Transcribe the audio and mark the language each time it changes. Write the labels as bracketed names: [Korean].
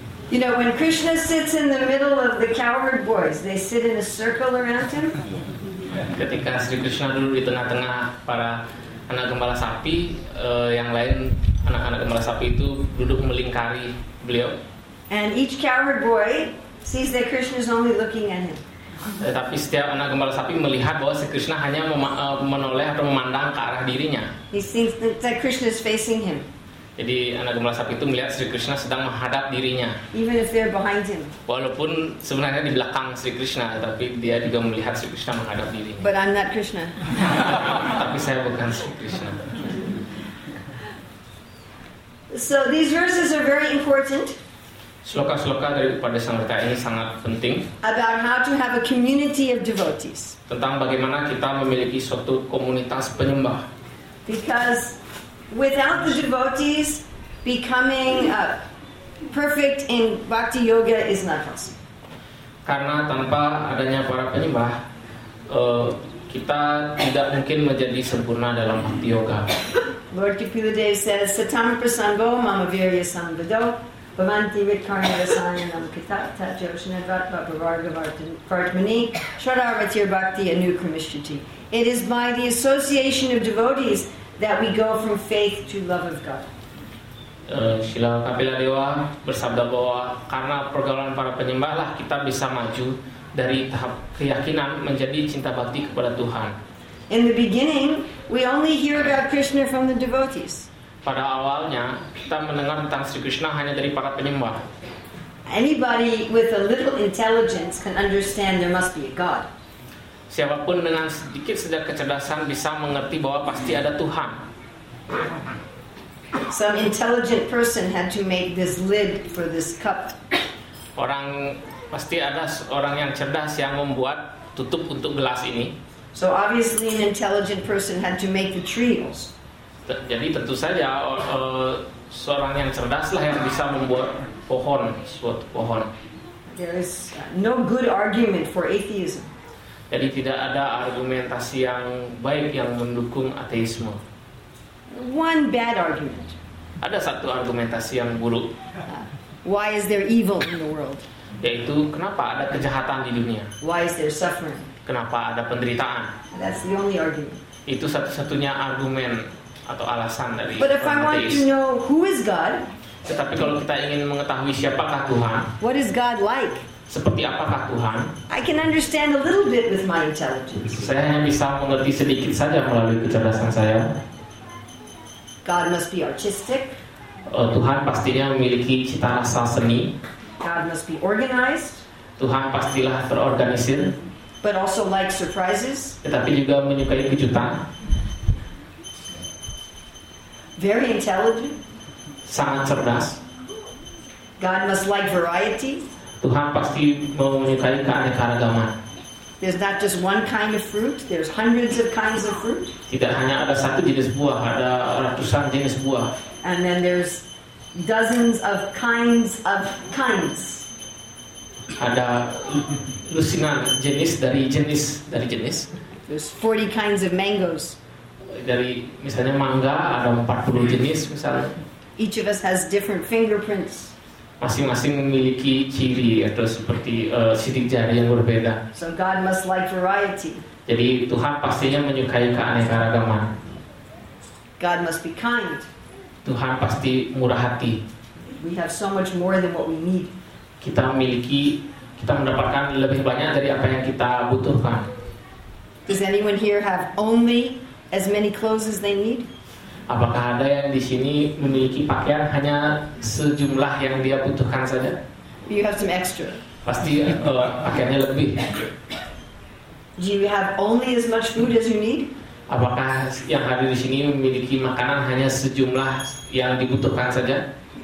[English] You know, when Krishna sits in the middle of the cowherd boys, they sit in a circle around him. [Indonesian] Ketika Sri Krishna duduk di tengah-tengah para anak gembala sapi, yang lain anak-anak gembala sapi itu duduk melingkari beliau. [English] And each coward boy sees that Krishna is only looking at him. [Indonesian] Tapi setiap anak gembala sapi melihat bahwa Sri Krishna hanya menoleh atau memandang ke arah dirinya. [English] He sees that Krishna is facing him. [Indonesian] Jadi anak gembala sapi itu melihat Sri Krishna sedang menghadap dirinya. [English] Even if they're behind him. [Indonesian] Walaupun sebenarnya di belakang Sri Krishna, tapi dia juga melihat Sri Krishna menghadap dirinya. [English] But I'm not Krishna. [Indonesian] Tapi saya bukan Sri Krishna. [English] So these verses are very important. [Indonesian] Sloka-sloka dari Upadesamrita ini sangat penting. [English] About how to have a community of devotees. [Indonesian] Tentang bagaimana kita memiliki suatu komunitas penyembah. [English] Because without the devotees, becoming perfect in bhakti yoga is not possible. [Indonesian] Karena tanpa adanya para penyembah, kita tidak mungkin menjadi sempurna dalam bhakti yoga. [English] Lord Kapiladeva says, [Sanskrit] Satam prasango mama virya sambhado bhavanti vitkarna vasayanam kitata joshanadvat bhavarga-vartmani shradaratir bhakti anukramishyati. [English] It is by the association of devotees that we go from faith to love of God. [Indonesian] Srila Kapiladeva bersabda bahwa karena pergaulan para penyembahlah kita bisa maju dari tahap keyakinan menjadi cinta bhakti kepada Tuhan. [English] In the beginning, we only hear about Krishna from the devotees. [Indonesian] Pada awalnya, kita mendengar tentang Sri Krishna hanya dari para penyembah. [English] Anybody with a little intelligence can understand there must be a God. [Indonesian] Siapapun dengan sedikit saja kecerdasan bisa mengerti bahwa pasti ada Tuhan. [English] Some intelligent person had to make this lid for this cup. [Indonesian] Orang pasti ada orang yang cerdas yang membuat tutup untuk gelas ini. [English] So obviously an intelligent person had to make the trios. [Indonesian] Jadi tentu saja seorang yang cerdaslah yang bisa membuat pohon, suatu pohon. [English] There is no good argument for atheism. [Indonesian] Jadi tidak ada argumentasi yang baik yang mendukung ateisme. [English] One bad argument. [Indonesian] Ada satu argumentasi yang buruk. [English] Why is there evil in the world? [Indonesian] Yaitu kenapa ada kejahatan di dunia? [English] Why is there suffering? [Indonesian] Kenapa ada penderitaan? [English] That's the only argument. [Indonesian] Itu satu-satunya argumen atau alasan dari. [English] But if I want to know who is God? [Indonesian] Tetapi kalau kita ingin mengetahui siapakah Tuhan? [English] What is God like? [Indonesian] seperti apakah Tuhan? [English] I can understand a little bit with my intelligence. [Indonesian] Saya hanya bisa mengerti sedikit saja melalui kecerdasan saya. [English] God must be artistic. [Indonesian] Tuhan pastinya memiliki cita rasa seni. [English] God must be organized. [Indonesian] Tuhan pastilah terorganisir. [English] But also like surprises. [Indonesian] Tetapi juga menyukai kejutan. [English] Very intelligent. [Indonesian] Sangat cerdas. [English] God must like variety. [Indonesian] Tuhan pasti menyukai keanekaragaman. [English] There's not just one kind of fruit. There's hundreds of kinds of fruit. [Indonesian] Tidak hanya ada satu jenis buah, ada ratusan jenis buah. [English] And then there's dozens of kinds of kinds. [Indonesian] Ada lusinan jenis dari jenis dari jenis. [English] There's 40 kinds of mangoes. [Indonesian] Dari misalnya mangga ada 40 jenis misalnya. [English] Each of us has different fingerprints. [Indonesian] Masing-masing memiliki ciri atau seperti sidik jari yang berbeda. [English] So God must like variety. [Indonesian] Jadi Tuhan pastinya menyukai keanekaragaman. [English] God must be kind. [Indonesian] Tuhan pasti murah hati. [English] We have so much more than what we need. [Indonesian] Kita memiliki, kita mendapatkan lebih banyak dari apa yang kita butuhkan. [English] Does anyone here have only as many clothes as they need? [Indonesian] Apakah ada yang di sini memiliki pakaian hanya sejumlah yang dia butuhkan saja? [English] You have some extra. [Indonesian] Pasti pakaiannya lebih. [English] Do you have only as much food as you need? [Indonesian] Apakah yang hadir di sini memiliki makanan hanya sejumlah yang dibutuhkan saja?